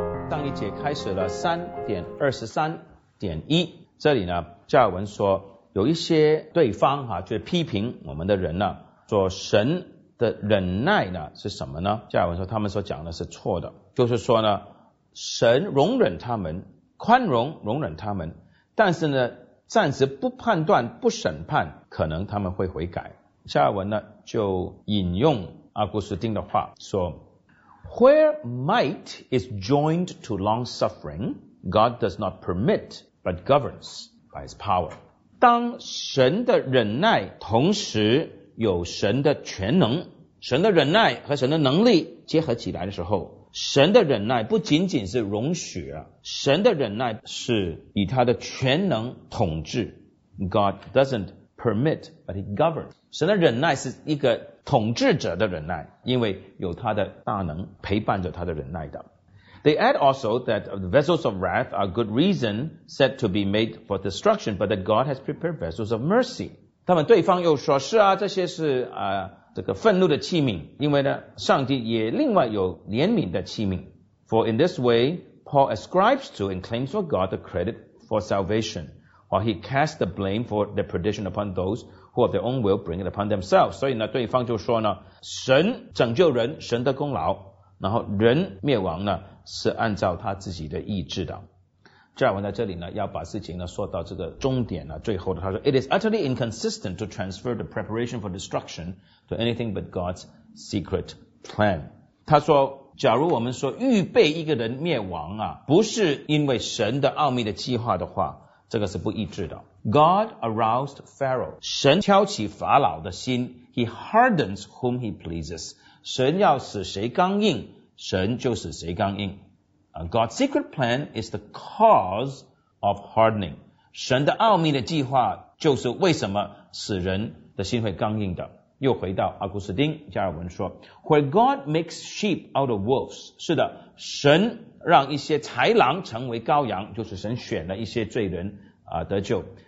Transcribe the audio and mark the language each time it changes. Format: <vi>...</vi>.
<zh>上一节开始了3.23.1，这里呢，加尔文说有一些对方就批评我们的人呢，说神的忍耐呢是什么呢？加尔文说他们所讲的是错的，就是说呢，神容忍他们，宽容容忍他们，但是呢，暂时不判断不审判，可能他们会悔改。加尔文呢就引用阿古斯丁的话说</zh> <en>，Where might is joined to long suffering, God does not permit but governs by His power。</en> <zh>当神的忍耐同时有神的全能，神的忍耐和神的能力结合起来的时候，神的忍耐不仅仅是容许，神的忍耐是以他的全能统治。</zh> <en>God doesn't permit but he governs，</en> <zh>神的忍耐是一个统治者的忍耐，因为有他的大能陪伴着他的忍耐的。</zh> <en>They add also that the vessels of wrath are good reason set to be made for destruction but that God has prepared vessels of mercy。</en> <zh>他们对方又说是啊，这些是这个愤怒的器皿，因为呢，上帝也另外有怜悯的器皿。</zh> <en>For in this way, Paul ascribes to and claims for God the credit for salvation, while he casts the blame for the perdition upon those who of their own will bring it upon themselves.</en> <zh>所以呢，对方就说呢，神拯救人，神的功劳，然后人灭亡呢，是按照他自己的意志的。加尔文在这里呢，要把事情呢说到这个终点呢，最后的他说</zh> <en>，It is utterly inconsistent to transfer the preparation for destruction to anything but God's secret plan。</en> <zh>他说，假如我们说预备一个人灭亡啊，不是因为神的奥秘的计划的话，这个是不一致的。</zh> <en>God aroused Pharaoh，</en> <zh>神挑起法老的心 ，</zh> <en>He hardens whom He pleases，</en> <zh>神要使谁刚硬，神就使谁刚硬。</zh> <en>God's secret plan is the cause of hardening.</en> <zh>神的奥秘的计划就是为什么使人的心会刚硬的。又回到阿古斯丁，加尔文说</zh> <en>,Where God makes sheep out of wolves.</en> <zh>是的，神让一些豺狼成为羔羊，就是神选了一些罪人得救。</zh>